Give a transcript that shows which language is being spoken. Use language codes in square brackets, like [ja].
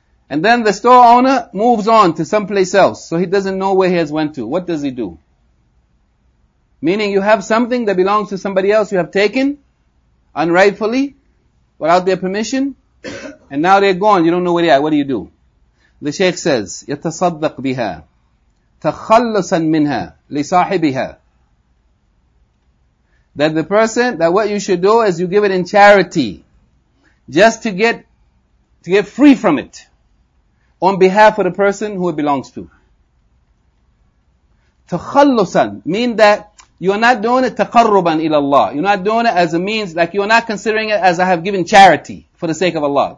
[en] And then the store owner moves on to someplace else. So he doesn't know where he has went to. What does he do? Meaning you have something that belongs to somebody else you have taken, unrightfully, without their permission. And now they're gone. You don't know where they are. What do you do? The Shaykh says, [ar] يتصدق بها تخلصا منها لصاحبها. [en] That the person, that what you should do is you give it in charity. Just to get free from it. On behalf of the person who it belongs to. [ar] تخلصا. [en] Mean that you're not doing it [ar] تقربا إلى الله. [en] You're not doing it as a means, like you're not considering it as I have given charity for the sake of Allah.